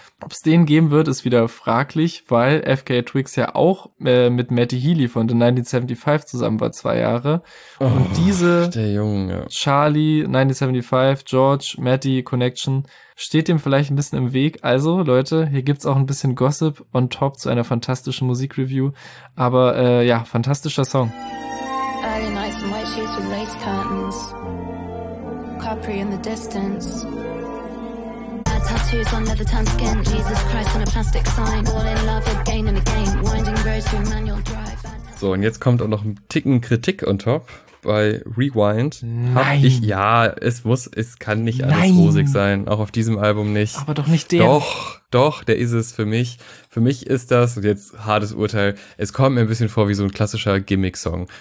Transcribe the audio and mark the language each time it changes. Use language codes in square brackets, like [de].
[de] Ob es den geben wird, ist wieder fraglich, weil FKA Twix ja auch mit Matty Healy von The 1975 zusammen war, 2 Jahre. Und der Junge. Charlie, 1975, George, Matty, Connection, steht dem vielleicht ein bisschen im Weg. Also, Leute, hier gibt's auch ein bisschen Gossip on top zu einer fantastischen Musikreview. Aber ja, fantastischer Song. [en] Early nights in white sheets with lace curtains. Capri in the distance. Tattoos on leather tan skin. Jesus Christ on a plastic sign. All in love again and again. Winding roads through manual drive. [de] So, und jetzt kommt auch noch ein Ticken Kritik on top. Bei Rewind habe ich, ja, es kann nicht alles rosig sein, auch auf diesem Album nicht. Aber doch nicht der. Doch, der ist es für mich. Für mich ist das, und jetzt hartes Urteil, es kommt mir ein bisschen vor wie so ein klassischer Gimmick-Song.